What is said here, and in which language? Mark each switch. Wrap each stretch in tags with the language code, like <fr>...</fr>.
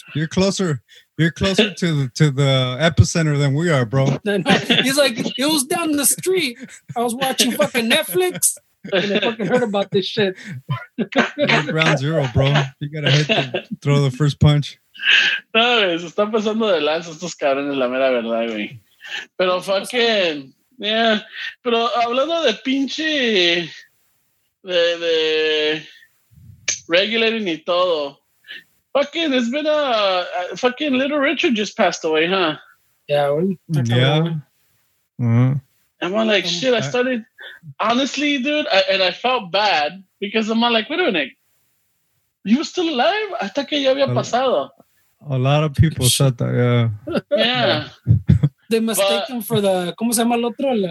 <en>You're closer to the epicenter than we are, bro. He's like, it was down the street. I was watching fucking Netflix and I fucking heard about this shit. You're ground zero, bro. You gotta hit the throw the first punch.</en> <es>No, se están pasando de lanza estos cabrones, la mera verdad, güey. Pero</es> <en>fucking, yeah.</en> <es>Pero hablando de pinche de regulating y todo.</es> <en>Fucking, it's been a fucking Little Richard just passed away, huh? Yeah. Mm-hmm. I'm like, shit, I started, honestly, dude, and I felt bad because I'm like, wait a minute, he was still alive? I thought</en> <es>que ya había pasado.</es> <en>A lot of people said that, yeah. Yeah. They mistake him for the,</en> <es>¿cómo se llama el otro?</es>